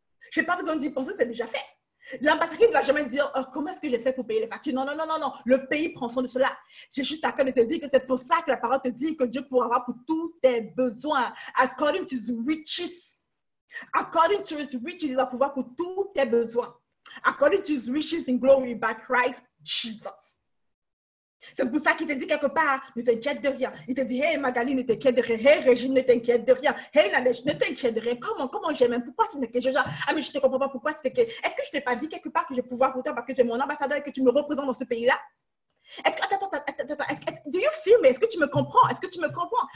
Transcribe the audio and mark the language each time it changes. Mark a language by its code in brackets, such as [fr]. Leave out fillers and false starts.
[fr] J'ai pas besoin d'y penser, c'est déjà fait. L'ambassadeur ne va jamais dire oh, comment est-ce que j'ai fait pour payer les factures. Non. Le pays prend soin de cela. J'ai juste à cœur de te dire que c'est pour ça que la parole te dit que Dieu pourra avoir pour tous tes besoins. [en] According to his riches. According to his riches, [fr] il va pouvoir pour tous tes besoins. [en] According to his riches in glory by Christ Jesus. [fr] C'est pour ça qu'il te dit quelque part, ne t'inquiète de rien. Il te dit, hey Magali, ne t'inquiète de rien. Hey Régine, ne t'inquiète de rien. Hey Nadège, ne t'inquiète de rien. Comment j'ai même? Pourquoi tu t'inquiètes? Mais je ne te comprends pas. Pourquoi tu t'inquiètes? Est-ce que je ne t'ai pas dit quelque part que j'ai pouvoir pour toi parce que tu es mon ambassadeur et que tu me représentes dans ce pays-là? Attends. [en] Do you feel me? [fr] Est-ce que tu me comprends? Est-ce que tu me comprends?